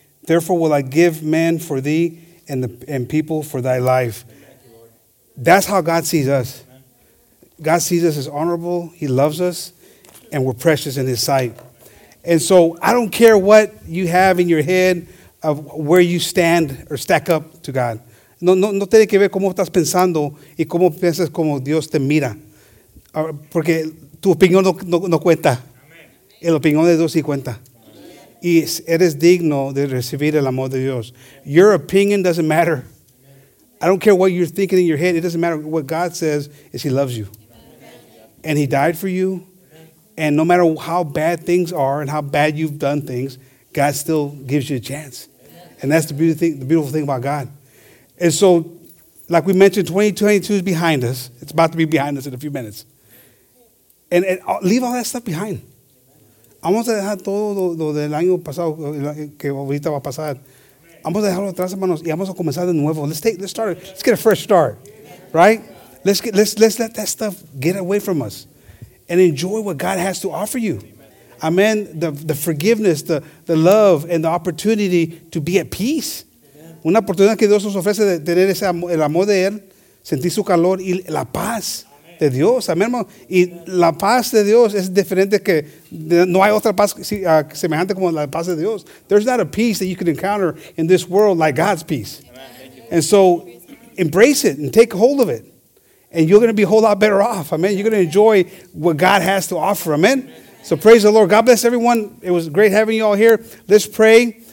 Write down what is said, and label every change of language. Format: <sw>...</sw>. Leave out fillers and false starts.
<en>Therefore will I give men for thee and people for thy life. That's how God sees us. God sees us as honorable. He loves us, and we're precious in his sight. And so I don't care what you have in your head of where you stand or stack up to God.</en> <es>No tiene que ver cómo estás pensando y cómo piensas como Dios te mira. Porque tu opinión no cuenta. El opinión de Dios sí cuenta. Y eres digno de recibir el amor de Dios.</es> <en>Your opinion doesn't matter. I don't care what you're thinking in your head. It doesn't matter. What God says is he loves you. And he died for you. And no matter how bad things are and how bad you've done things, God still gives you a chance. And that's the beautiful thing about God. And so, like we mentioned, 2022 is behind us. It's about to be behind us in a few minutes. And leave all that stuff behind.</en> <es>Vamos a dejar todo lo del año pasado que ahorita va a pasar. Vamos a dejarlo atrás, hermanos, y vamos a comenzar de nuevo.</es> <en>Let's get a fresh start, right? Let's let that stuff get away from us, and enjoy what God has to offer you. Amen. The forgiveness, the love, and the opportunity to be at peace.</en> <es>Una oportunidad que Dios nos ofrece de tener ese el amor de él, sentir su calor y la paz. De Dios, amén, hermano. Y la paz de Dios es diferente que no hay otra paz semejante como la paz de Dios.</es> <en>There's not a peace that you can encounter in this world like God's peace. And so, embrace it and take hold of it. And you're going to be a whole lot better off, amen. You're going to enjoy what God has to offer, amen. So, praise the Lord. God bless everyone. It was great having you all here. Let's pray.</en>